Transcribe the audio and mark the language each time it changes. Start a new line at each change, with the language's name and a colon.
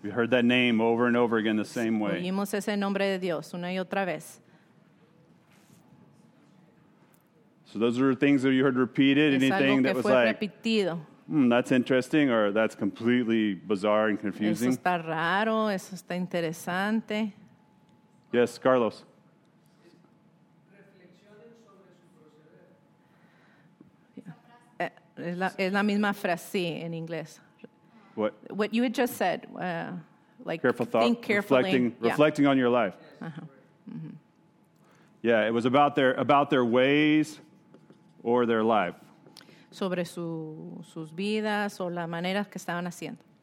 English: We heard that name over and over again the same way.
Spanish: Oímos ese nombre de Dios una y otra vez.
English: So those are things that you heard repeated. Anything that was like.
Spanish: Repetido.
English: That's interesting, or that's completely bizarre and confusing.
Spanish: Eso está raro, eso está interesante.
English: Yes, Carlos.
Spanish: Es la misma frase en inglés.
English: What? What you had just said, like careful thought, think carefully. Reflecting on your life. Uh-huh. Mm-hmm. Yeah, it was about their ways or their life.
Spanish: Sobre sus vidas o las maneras que estaban haciendo.